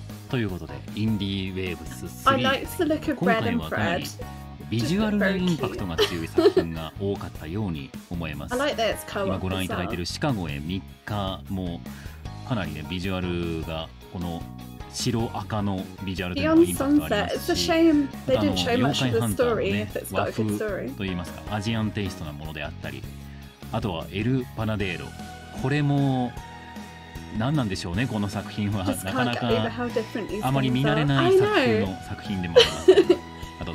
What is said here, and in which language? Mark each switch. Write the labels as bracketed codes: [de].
[ja] ということで、インディーウェーブス [en] 3。I like the look of red and Fred. [ja] ビジュアルのインパクトが強い作品が多かったように思います。 [en] I like this co-op. [ja] 今ご覧いただいているシカゴへ3日もかなりね、ビジュアルがこの白赤のビジュアルでもインパクトありますし、他の妖怪ハンターのね和風といいますかアジアンテイストなものであったり、あとはエル・パナデーロ、これも何なんでしょうね、この作品はなかなかあまり見慣れない作品の作品でもあります。あと